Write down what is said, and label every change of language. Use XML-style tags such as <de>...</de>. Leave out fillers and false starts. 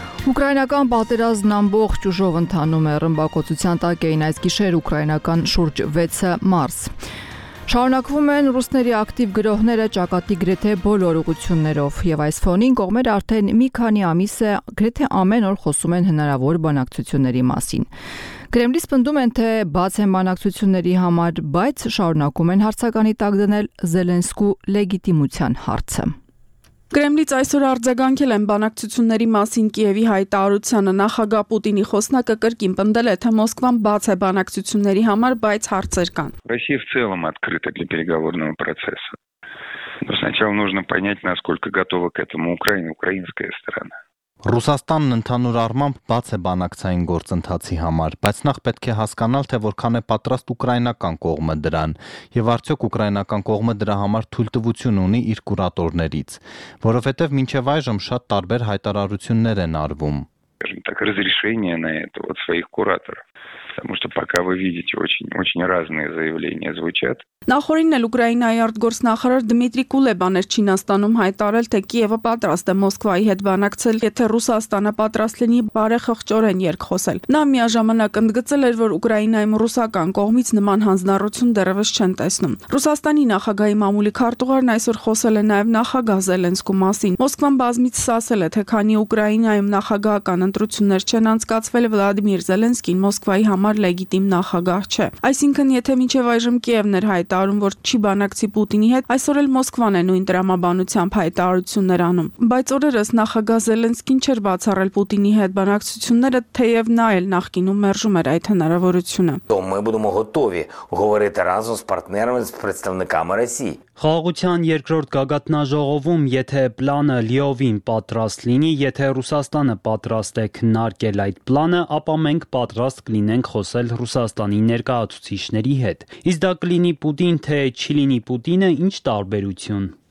<hy>Ուկրաինական պատերազմն ամբողջ ուժով ընթանում է, ռմբակոծության տակ էին այս գիշեր ուկրաինական շուրջ 6 մարս։ Շարունակվում են ռուսների ակտիվ գրոհները ճակատի գրեթե բոլոր ուղություններով, և այս ֆոնին կողմերը արդեն մի քանի ամիս է գրեթե ամեն օր խոսում են հնարավոր բանակցությունների մասին։ Կրեմլին սպնդում են, թե բաց են բանակցությունների համար, բայց շարունակում են հարցականի տակ դնել Զելենսկու լեգիտիմության հարցը։ Կրեմլից այսօր արձագանքել են բանակցությունների մասին Կիևի հայտարարությանը։ Նախագահ Պուտինի խոսնակը կրկին պնդել է, թե Մոսկվան բաց է բանակցությունների համար, բայց հարցեր կան։</hy> <ru>Ռուսիա в целом открыта для переговорного процесса. Но сначала нужно понять, насколько готова к этому Украина, украинская сторона.</ru> <hy>Ռուսաստանն ընդհանուր առմամբ բաց է բանակցային գործընթացի համար, բայց նախ պետք է հասկանալ, թե որքան է պատրաստ ուկրաինական կողմը դրան, և արդյոք ուկրաինական կողմը դրա համար թույլտվություն ունի իր կուրատորներից, որովհետև մինչև այժմ շատ տարբեր հայտարարություններ են արվում.</hy> <ru>Разрешение на это от своих кураторов. Потому что пока вы видите, очень разные заявления звучат.</ru> <hy>Նախորդին Ուկրաինայի արտգործնախարար Դմիտրի Կուլեբան էր Չինաստանում հայտարել, թե Կիևը պատրաստ է Մոսկվայի հետ բանակցել, եթե Ռուսաստանը պատրաստ լինի բարեխղճորեն երկխոսել։ Նա միաժամանակ ընդգծել էր, որ Ուկրաինայում ռուսական կողմից նման հանձնառություն դեռևս չեն տեսնում։ Ռուսաստանի նախագահի մամուլի քարտուղարն այսօր խոսել է նաև նախագահ Զելենսկու մասին։ Մոսկվան բազմից ասել է, թե քանի Ուկրաինայում նախագահական ընտրություններ չեն անցկացվել, Վլադիմիր Զելենսկին Մոսկվայի համար լեգիտիմ նախագահ չէ։ Այսինքն, եթե մինչև այժմ Կիևն էր հայտարարում, որ չի բանակցի Պուտինի հետ, այսօր էլ Մոսկվան է նույն տրամաբանությամբ հայտարարություններ անում։ Բայց օրերս նախագահ Զելենսկին չէր բացառել Պուտինի հետ բանակցությունները, թեև նա էլ նախկինում մերժում էր այդ հնարավորությունը։ Մենք</hy> <uk>будемо готові говорити разом з партнерами, з представниками Росії.</uk> <hy>Խաղաղության երկրորդ գագաթնաժողովում, եթե պլանը լիովին պատրաստ լինի, եթե Ռուսաստանը պատրաստ է քննարկել այդ պլանը, ապա մենք պատրաստ կլինենք խոսել Ռուսաստանի ներկայացուցիչների հետ։ Իսկ դա կլինի Պուտին, թե չլինի Պուտինը, ինչ տարբերություն։</hy>